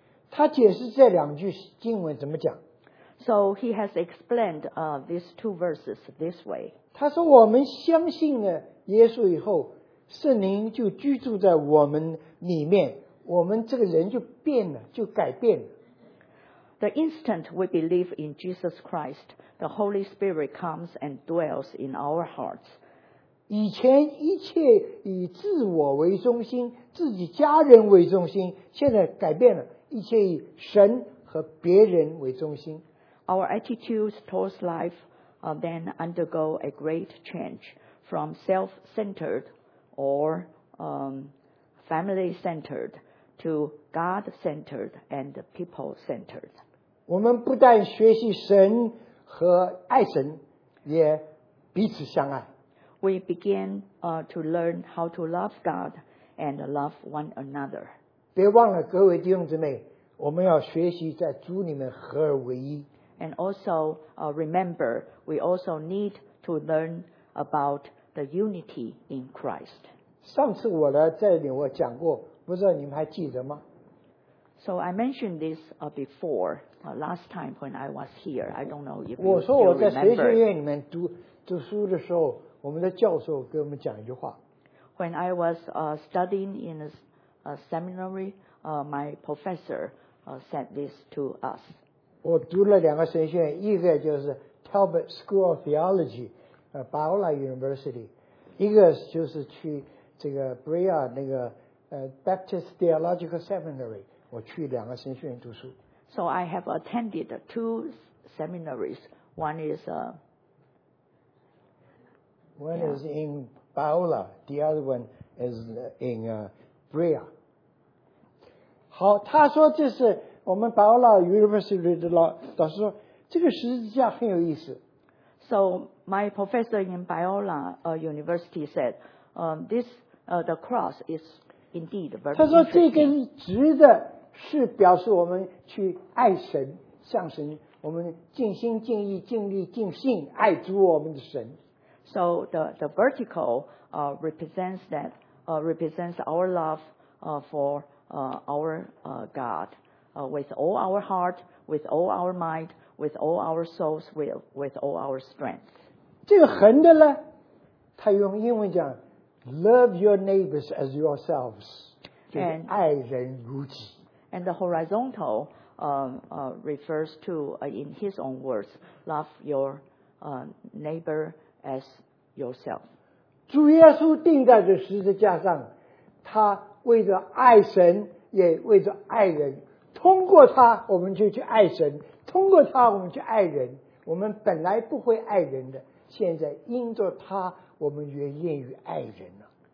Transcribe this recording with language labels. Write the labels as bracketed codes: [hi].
[zh] 他解释这两句经文怎么讲。 [en] So he has explained these two verses this way. [zh] 他说我们相信了耶稣以后，圣灵就居住在我们里面，我们这个人就变了，就改变了。 [en] The instant we believe in Jesus Christ, the Holy Spirit comes and dwells in our hearts. [zh] 以前一切以自我为中心，自己家人为中心，现在改变了，一切以神和别人为中心。 [en] Our attitudes towards life then undergo a great change from self-centered or family-centered to God-centered and people-centered. [zh] 我们不但学习神和爱神，也彼此相爱。 [en] We begin to learn how to love God and love one another. [zh] 别忘了各位弟兄姊妹，我们要学习在主里面合而为一。 [en] And also remember, we also need to learn about the unity in Christ. [zh] 上次我来这里我讲过，不知道你们还记得吗？ [en] So I mentioned this before, last time when I was here. I don't know if you remember. [zh] 我说我在神学院里面 读书的时候，我们的教授给我们讲一句话。 [en] When I was studying in a seminary, my professor said this to us. [zh] 我读了两个神学院，一个就是 Talbot School of Theology, Biola University, 一个就是去这个 Brea 那个Baptist Theological Seminary, 我去两个神学院读书。 [en] So I have attended two seminaries. One is One is in Biola, the other one is in Brea. [zh] 好，他说这是我们 Biola University 的老师说，这个十字架很有意思。 [en] So my professor in Biola University said, the cross is indeed very. [zh] 他说这根直的是表示我们去爱神，向神，我们尽心尽意尽力尽性爱主我们的神。 [en] So the vertical represents our love for our God, with all our heart, with all our mind, with all our souls, with all our strength. [zh] 这个横的呢，他用英文讲 [en] love your neighbors as yourselves, [zh] 就是爱人如己。 [en] And the horizontal refers to, in his own words, love your neighbor as yourself. [zh] 主耶稣钉在这十字架上，他为着爱神，也为着爱人。通过他，我们就去爱神；通过他，我们去爱人。我们本来不会爱人的，现在因着他，我们也愿意爱人了。